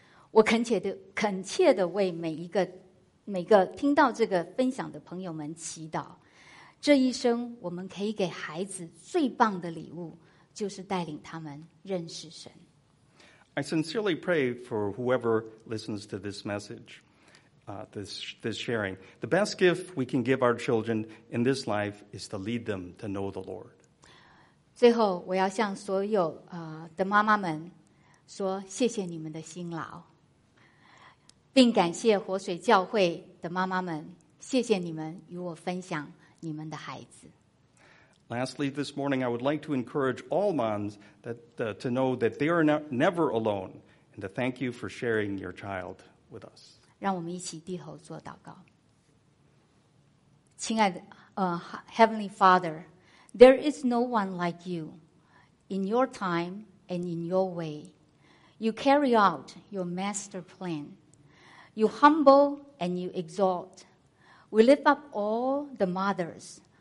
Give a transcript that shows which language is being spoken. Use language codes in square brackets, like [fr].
[zh] 我恳切的为每一个听到这个分享的朋友们祈祷，这一生我们可以给孩子最棒的礼物，就是带领他们认识神。 [en] I sincerely pray for whoever listens to this message, this sharing. The best gift we can give our children in this life is to lead them to know the Lord. [zh] 最后，我要向所有的妈妈们说，谢谢你们的辛劳，并感谢活水教会的妈妈们，谢谢你们与我分享你们的孩子。 [en] Lastly, this morning, I would like to encourage all moms to know that they are never alone and to thank you for sharing your child with us. [zh] 让我们一起低头做祷告。亲爱的 [en] Heavenly Father, there is no one like you. In your time and in your way, you carry out your master plan. You humble and you exalt. We lift up all the mothers.